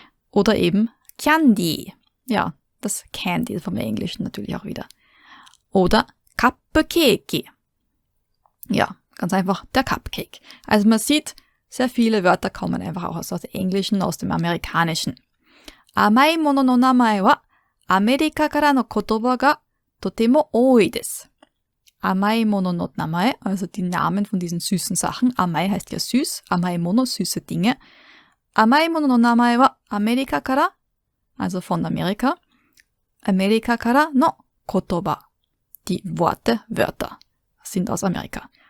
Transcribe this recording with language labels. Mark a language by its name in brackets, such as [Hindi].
[German] Oder eben Candy, ja, das Candy vom Englischen natürlich auch wieder. Oder Cupcake, ja, ganz einfach der Cupcake. Also man sieht, sehr viele Wörter kommen einfach auch aus dem Englischen, aus dem Amerikanischen. [Japanese] 甘いものの名前はアメリカからの言葉がとても多いです。 Amai mono no namae, [German] also die Namen von diesen süßen Sachen. [Japanese] Amai [German] heißt ja süß, [Japanese] amai mono, [German] süße Dinge. [Japanese] Amai mono no namae wa Amerika kara, [German] also von Amerika. [Japanese] Amerika kara no kotoba, [German] die Worte, Wörter, sind aus Amerika.